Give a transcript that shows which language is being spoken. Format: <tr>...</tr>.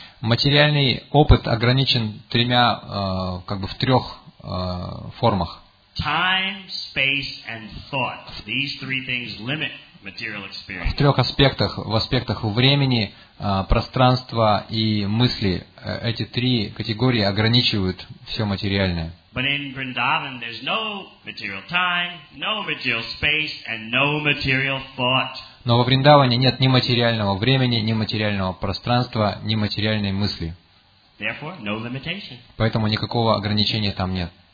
<ru>Материальный опыт ограничен тремя, в трех формах.</ru> <en>Time, space, and thought. These three things limit material experience.</en> <ru>В трех аспектах, в аспектах времени, пространства и мысли, эти три категории ограничивают все материальное.</ru> <en>But in Vrindavan, there's no material time, no material space, and no material thought.</en> <ru>Но во Вриндаване нет ни материального времени, ни материального пространства, ни материальной мысли.</ru> <en>Therefore, no limitation.</en> <ru>Поэтому никакого ограничения там нет.</ru>